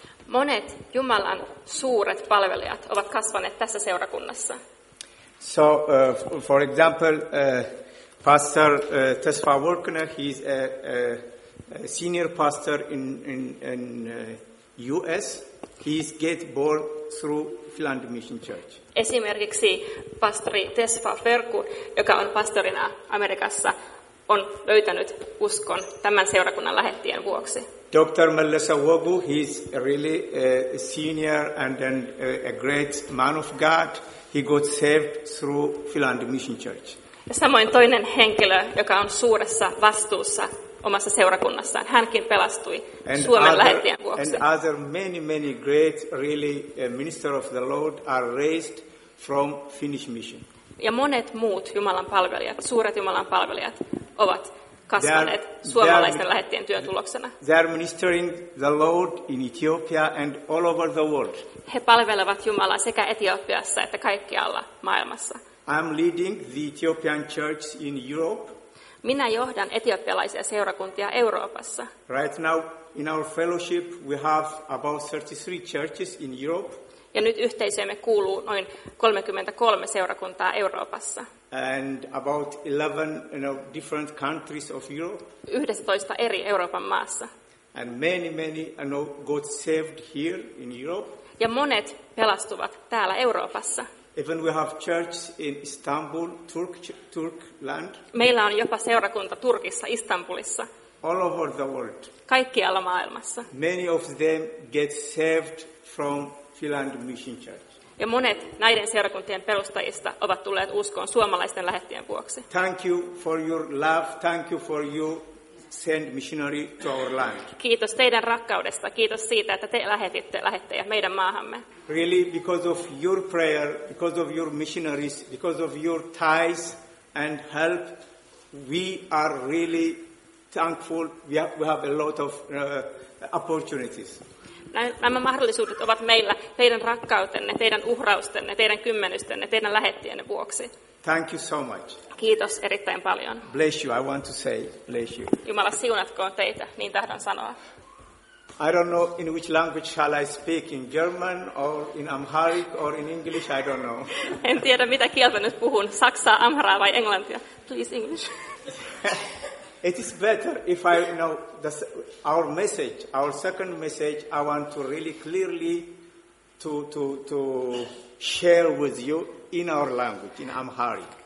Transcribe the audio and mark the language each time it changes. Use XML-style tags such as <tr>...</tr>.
<fi>Monet Jumalan suuret palvelijat ovat kasvaneet tässä seurakunnassa.</fi> <en>So, for example, Pastor Tesfa Workner, he's a senior pastor in US. He's get born through Finland Mission Church.</en> <fi>Esimerkiksi pastori Tesfa Verku, joka on pastorina Amerikassa, on löytänyt uskon tämän seurakunnan lähettien vuoksi.</fi> <en>Dr. Melissa Wogu, he's really a senior and a great man of God. He got saved through Finland Mission Church.</en> <fi>Ja samoin toinen henkilö, joka on suuressa vastuussa omassa seurakunnassaan. Hänkin pelastui</fi> <en>and</en> <fi>Suomen lähettien vuoksi.</fi> <en>And other many great really minister of the Lord are raised from Finnish mission.</en> <fi>Ja monet muut Jumalan palvelijat, suuret Jumalan palvelijat ovat kasvaneet suomalaisten lähettien työn tuloksena.</fi> <en>They are ministering the Lord in Ethiopia and all over the world.</en> <fi>He palvelevat Jumalaa sekä Etiopiassa että kaikkialla maailmassa.</fi> <en>I'm leading the Ethiopian church in Europe.</en> <fi>Minä johdan etiopialaisia seurakuntia Euroopassa.</fi> <en>Right now in our fellowship we have about 33 churches in Europe.</en> <fi>Ja nyt yhteisöömme kuuluu noin 33 seurakuntaa Euroopassa.</fi> <en>And about 11 different countries of Europe.</en> <fi>11 eri Euroopan maassa.</fi> <en>And many got saved here in Europe.</en> <fi>Ja monet pelastuvat täällä Euroopassa.</fi> <en>Even we have churches in Istanbul, Turkland.</en> <fi>Meillä on jopa seurakunta Turkissa, Istanbulissa.</fi> <en>All over the world.</en> <fi>Kaikkialla maailmassa.</fi> <en>Many of them get saved from Finland Mission Church.</en> <fi>Ja monet näiden seurakuntien perustajista ovat tulleet uskoon suomalaisten lähettien vuoksi.</fi> <en>Thank you for your love. Thank you for you send missionary to our land.</en> <fi>Kiitos teidän rakkaudesta. Kiitos siitä, että te lähetitte lähettäjä meidän maahamme.</fi> <en>Really, because of your prayer, because of your missionaries, because of your ties and help, we are really thankful. We have a lot of opportunities.</en> <fi>Nämä mahdollisuudet ovat meillä teidän rakkautenne, teidän uhraustenne, teidän kymmenystenne, teidän lähettienne vuoksi.</fi> <en>Thank you so much.</en> <fi>Kiitos erittäin paljon.</fi> <en>Bless you, I want to say bless you.</en> <fi>Jumala siunatkoon teitä, niin tahdon sanoa.</fi> <en>I don't know in which language shall I speak, in German or in Amharic or in English, I don't know.</en> <fi>En tiedä mitä kieltä nyt puhun, saksaa, amharaa vai englantia.</fi> <en>Please English. It is better if I know the, our message, our second message, I want to really clearly to share with you in our language, in Amharic.</en>